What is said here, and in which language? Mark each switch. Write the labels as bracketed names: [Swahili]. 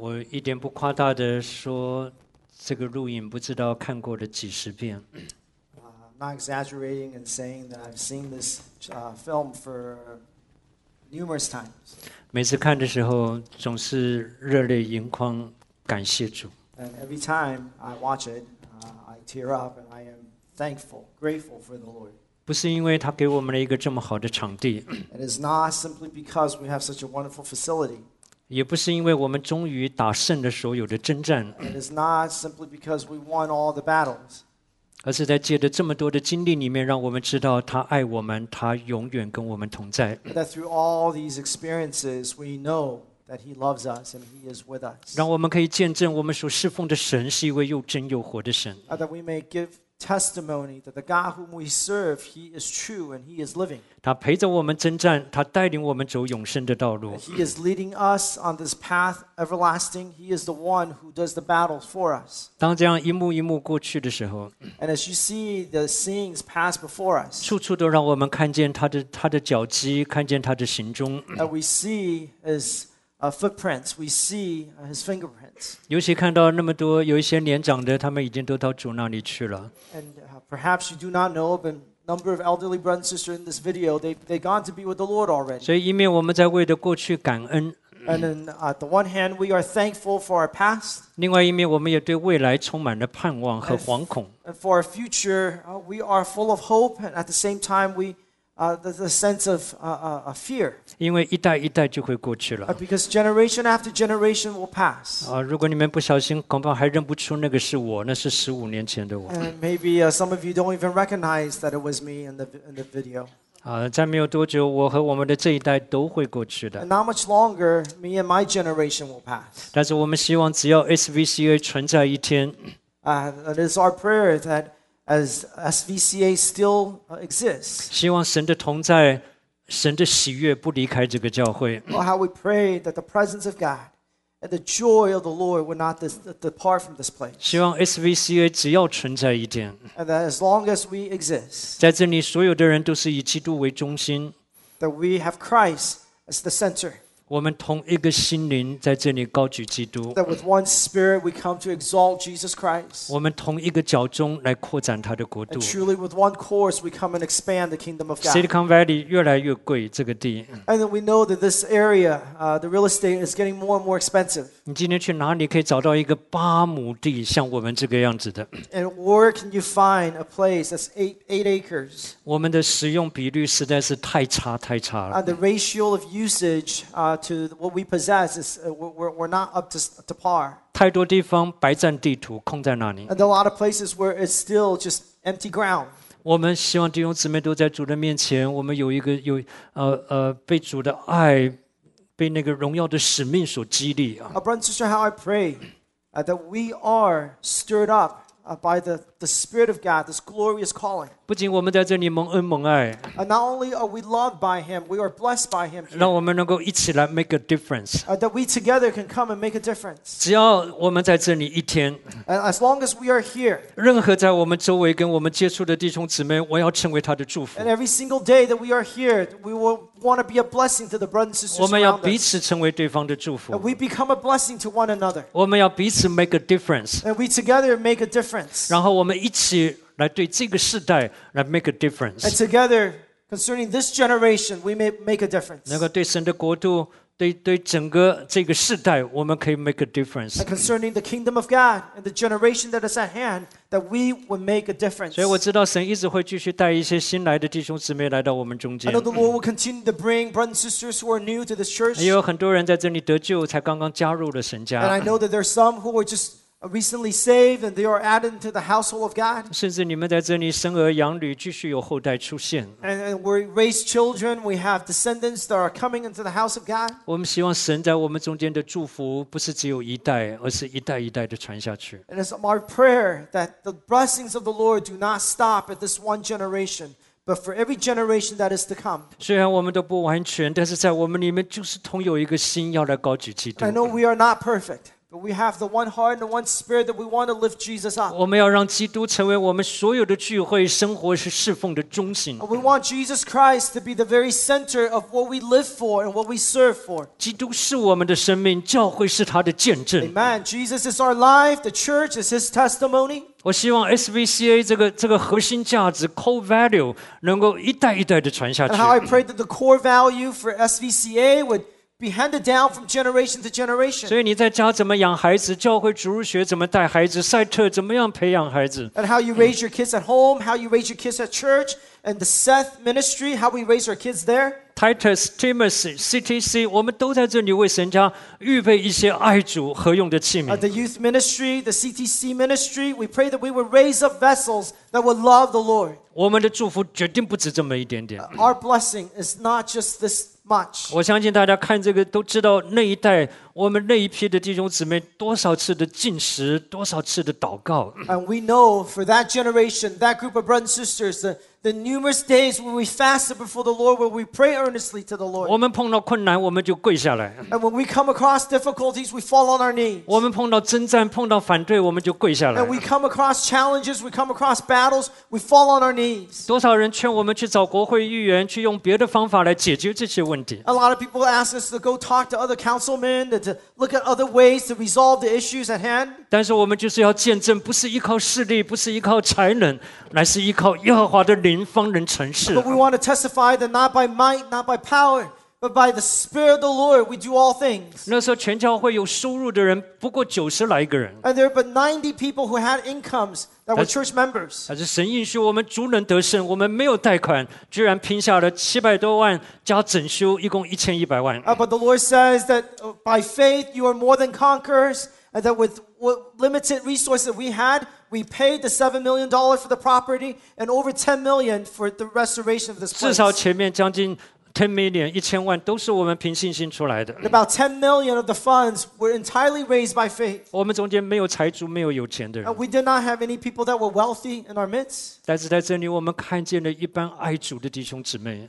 [Chinese] 一点不夸大的说，这个录影不知道看过了几十遍。 [English] I'm not exaggerating and saying that I've seen this film for numerous times. [Chinese] 每次看的时候总是热泪盈眶，感谢主。 [English] And every time I watch it, I tear up and I am thankful, grateful for the Lord. [Chinese] 不是因为他给我们了一个这么好的场地。 [English] It is not simply because we have such a wonderful facility. [Chinese] 也不是因为我们终于打胜了所有的征战， [English] It is not simply because we won all the battles. [Chinese] 而是在借着这么多的经历里面，让我们知道他爱我们，他永远跟我们同在。 [English] That through all these experiences, we know that he loves us and he is with us. [Chinese] 让我们可以见证我们所侍奉的神是一位又真又活的神。 [English] That we may give testimony that the God whom we serve, he is true and he is living. [Chinese] 他陪着我们征战，他带领我们走永生的道路。 [English] He is leading us on this path everlasting. He is the one who does the battles for us. [Chinese] 当这样一幕一幕过去的时候 [English] ，And as you see the scenes pass before us, [Chinese] 处处都让我们看见他的脚迹，看见他的行踪。 [English] And we see his footprints. We see his fingerprints. [Chinese] 尤其看到那么多有一些年长的，他们已经都到主那里去了。 [English] And perhaps you do not know, but number of elderly brothers and sisters in this video, they gone to be with the Lord already. [Chinese] 所以一面我们在为着过去感恩。 [English] And then, at the one hand, we are thankful for our past. [Chinese] 另外一面我们也对未来充满了盼望和惶恐。 [English] And for our future, we are full of hope, and at the same time, we there's a sense of fear. [Chinese] 因为一代一代就会过去了。 [English] Because generation after generation will pass. [Chinese] 如果你们不小心，恐怕还认不出那个是我，那是15年前的我。 [English] And maybe some of you don't even recognize that it was me in the video. [Chinese] 在没有多久，我和我们的这一代都会过去的。 [English] And not much longer, me and my generation will pass. [Chinese] 但是我们希望，只要 SVCA 存在一天。 [English] It is our prayer that. As SVCA still exists, [Chinese] 希望神的同在，神的喜悦不离开这个教会。 [English] Oh, how we pray that the presence of God and the joy of the Lord would not depart from this place. [Chinese] 希望 SVCA 只要存在一天。 [English] And that as long as we exist, [Chinese] 在这里所有的人都是以基督为中心。 [English] That we have Christ as the center. [Chinese] 我们同一个心灵在这里高举基督。 [English] That with one spirit we come to exalt Jesus Christ. [Chinese] 我们同一个脚中来扩展他的国度。 [English] And truly with one course we come and expand the kingdom of God. [Chinese] Silicon Valley 越来越贵这个地。 [English] And we know that this area, the real estate is getting more and more expensive. [Chinese] 你今天去哪里可以找到一个八亩地像我们这个样子的 [English] ？And where can you find a place that's eight acres? [Chinese] 我们的使用比率实在是太差太差了。 [English] And the ratio of usage, to what we possess is we're not up to par. [Chinese] 太多地方白占地图空在那里。 [English] And there are a lot of places where it's still just empty ground. [Chinese] 我们希望弟兄姊妹都在主的面前，我们有一个有被主的爱。被那个荣耀的使命所激励啊 [English] Brother and sister, how I pray that we are stirred up by the Spirit of God, this glorious calling. [Chinese] 不仅我们在这里蒙恩蒙爱 [English] Not only are we loved by Him, we are blessed by Him. [Chinese] 让我们能够一起来 [English] make a difference. That we together can come and make a difference. [Chinese] 只要我们在这里一天 [English] As long as we are here. [Chinese] 任何在我们周围跟我们接触的弟兄姊妹，我要成为他的祝福。 [English] And every single day that we are here, we will want to be a blessing to the brothers and sisters around us. [Chinese] 我们要彼此成为对方的祝福。 [English] And we become a blessing to one another. [Chinese] 我们要彼此 [English] make a difference. And we together make a difference. [Chinese] 然后我们一起来对这个世代来 [English] make a difference. And together, concerning this generation, we may make a difference. [Chinese] 能够对神的国度，对整个这个世代，我们可以 [English] make a difference. And concerning the kingdom of God and the generation that is at hand, that we will make a difference. [Chinese] 所以我知道神一直会继续带一些新来的弟兄姊妹来到我们中间。 [English] I know the Lord will continue to bring brothers and sisters who are new to this church. [Chinese] 也有很多人在这里得救，才刚刚加入了神家。 [English] And I know that there are some who are just recently saved and they are added to the household of God. [Chinese] 甚至你们在这里生儿养女，继续有后代出现。 [English] And we raise children, we have descendants that are coming into the house of God. [Chinese] 我们希望神在我们中间的祝福不是只有一代，而是一代一代的传下去。 [English] And it's our prayer that the blessings of the Lord do not stop at this one generation, but for every generation that is to come. [Chinese] 虽然我们都不完全，但是在我们里面就是同有一个心要来高举基督。 [English] I know we are not perfect. But we have the one heart and the one spirit that we want to lift Jesus up. [Chinese] 我们要让基督成为我们所有的聚会、生活是侍奉的中心。 [English] We want Jesus Christ to be the very center of what we live for and what we serve for. [Chinese] 基督是我们的生命，教会是他的见证。 [English] Amen. Jesus is our life. The church is His testimony. [Chinese] 我希望 SVCA 这个核心价值 [English] core value [Chinese] 能够一代一代的传下去。 [English] And how I pray that the core value for SVCA would. Be handed down from generation to generation. [Chinese] 所以你在家怎么养孩子？教会主日学怎么带孩子？赛特怎么样培养孩子 [English] ？And how you raise your kids at home? How you raise your kids at church? And the Seth Ministry? How we raise our kids there? [Chinese] Titus, Timothy, CTC, 我们都在这里为神家预备一些爱主合用的器皿。 [English] The Youth Ministry, the CTC Ministry, we pray that we would raise up vessels that would love the Lord. [Chinese] 我们的祝福绝对不止这么一点点。 [English] Our blessing is not just this. Much. [Chinese] 我相信大家看这个都知道那一代我们那一批的弟兄姊妹多少次的进食多少次的祷告 [English] And we know for that generation that group of brothers and sisters the numerous days when we fasted before the Lord where we pray earnestly to the Lord [Chinese] 我们碰到困难我们就跪下来 [English] And when we come across difficulties we fall on our knees [Chinese] 我们碰到征战碰到反对我们就跪下来 [English] And we come across challenges we come across battles we fall on our knees [Chinese] 多少人劝我们去找国会议员去用别的方法来解决这些问题 [English] A lot of people ask us to go talk to other councilmenTo look at other ways to resolve the issues at hand. [Chinese] 但是我们就是要见证，不是依靠势力，不是依靠才能，乃是依靠耶和华的灵，方能成事。 [English] But we want to testify that not by might, not by power, but by the Spirit of the Lord we do all things. [Chinese] 那时候全教会有收入的人不过九十来个人。 [English] And there were but 90 people who had incomes that were church members. [Chinese] 但是神应许我们主能得胜，我们没有贷款，居然拼下了700多万。加整修一共1100万。 [English] But the Lord says that by faith you are more than conquerors, and that with what limited resources we had, we paid the $7 million for the property and over $10 million for the restoration of this place. [Chinese] 至少前面将近10 million 1000万都是我们凭信心出来的。 [English] About $10 million of the funds were entirely raised by faith. [Chinese] 我们中间没有财主，没有有钱的人。 [English] We did not have any people that were wealthy in our midst. [Chinese] 但是在这里，我们看见了一帮爱主的弟兄姊妹。